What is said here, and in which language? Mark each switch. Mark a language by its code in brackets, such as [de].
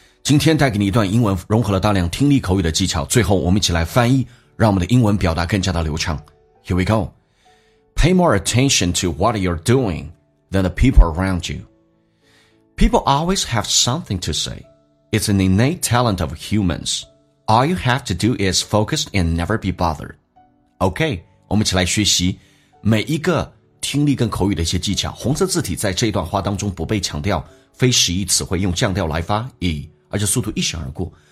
[zh] 今天带给你一段英文，融合了大量听力口语的技巧，最后我们一起来翻译，让我们的英文表达更加的流畅。 [en] Here we go. Pay more attention to what you're doing than the people around you. People always have something to say. It's an innate talent of humans. All you have to do is focus and never be bothered. [zh] OK, 我们一起来学习每一个听力跟口语的一些技巧，红色字体在这段话当中不被强调，非十一词汇用降调来发，而且速度一闪而过。